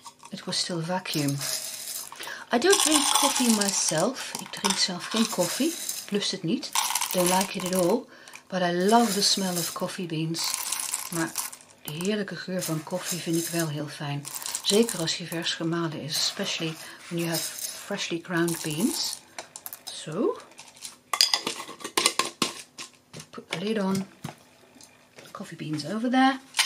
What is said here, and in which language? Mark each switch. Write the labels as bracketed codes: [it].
[en] It was still vacuum. I don't drink coffee myself. [nl] Ik drink zelf geen koffie. Lust het niet. [en] Don't like it at all. But I love the smell of coffee beans. [nl] Maar de heerlijke geur van koffie vind ik wel heel fijn. Zeker als die vers gemalen is. [en] Especially when you have freshly ground beans. Zo. So. Put the lid on. Coffee beans over there.